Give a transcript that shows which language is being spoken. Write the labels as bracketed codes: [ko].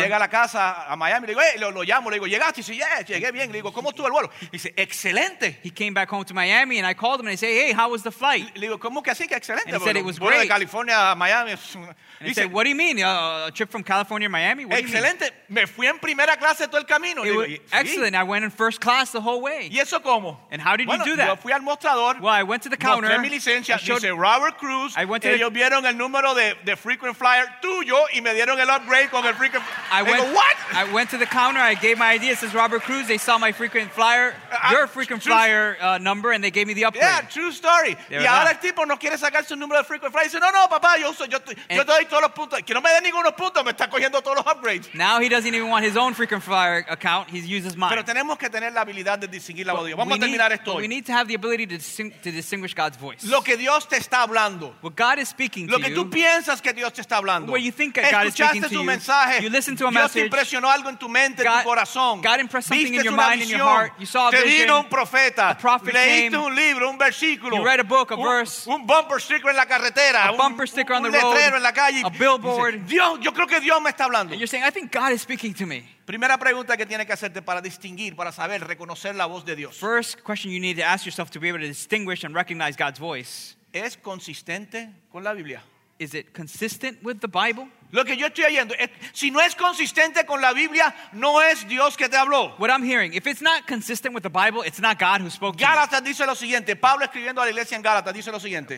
[es] Y llega a la casa a Miami, le digo, hey, lo llamo, le digo, ¿llegaste? Y dice, [en] yeah, [es] llegué bien. Le digo, ¿cómo estuvo el vuelo? Y dice, excelente. [en] He came back home to Miami and I called him and I say, hey, how was the flight? [es] Le digo, ¿cómo que así que excelente? [en] And he said it was great. [es] De California a Miami. [en] And he said, what do you mean? A trip from California to Miami? What [es] excelente. [en] Do you mean? [es] Me fui en primera clase todo el camino. [en] It was excellent. [es] Sí. [en] I went in first class the whole way. [es] ¿Y eso cómo? [en] And how did [es] bueno, [en] you do that? [es] Yo fui al mostrador. [en] Well, I went to the counter. [es] Mostré mi licencia. [en] Showed, [es] dice Robert Cruz. [en] I went to [es] ellos [en] the, [es] vieron el número de frequent flyer tuyo y me dieron el upgrade con el frequent flyer. [en] I went, go, what? I went to the counter. I gave my ID. It says Robert Cruz. They saw my frequent flyer, your frequent flyer number, and they gave me the upgrade. Yeah, true story. There [es] y ahora [en] that. [es] El tipo no quiere sacar su número de frequent flyer. Dice, no, papá, yo doy todos los puntos. Que no me den ninguno punto. Me está cogiendo todos los upgrades. [en] Now he doesn't even want his own frequent flyer account. He uses mine. [es] Pero tenemos que tener la habilidad de distinguir la voz de Dios. Vamos a terminar [en] need, [es] esto hoy. [en] We need to have the ability to distinguish God's voice. [es] Lo que Dios te está hablando. [en] What God is speaking to you. [es] Lo que tú piensas que Dios te está hablando. [en] What you think that God is speaking to you. [es] Escuchaste su mensaje. [en] You listened to a [es] Dios [en] message. [es] Dios impresionó algo en tu mente, [en] God, [es] tu corazón. [en] God impressed something [es] viste [en] in your mind, [es] visión. [en] In your heart. You saw a [es] te [en] vision. [es] Te vino un profeta. [en] A prophet [es] leíste [en] came. [es] Un libro, un versículo. [en] You read a book, a verse. [es] Un bumper sticker en la carretera. [en] A bumper sticker on the road. [es] Un letrero en la calle. [en] A billboard. [es] Dios, yo creo que Dios me está hablando. [en] And you're saying, I think God is speaking to me. [es] Primera pregunta que tiene que hacerte para distinguir, para saber, reconocer la voz de Dios. [en] First question you need to ask yourself to be able to distinguish and recognize God's voice. [es] ¿Es consistente con la Biblia? [en] Is it consistent with the Bible? [es] Lo que yo estoy oyendo, si no es consistente con la Biblia, no es Dios que te habló. [en] What I'm hearing, if it's not consistent with the Bible, it's not God who spoke to you. [es] Gálatas dice lo siguiente, Pablo escribiendo a la iglesia en Gálatas dice lo siguiente.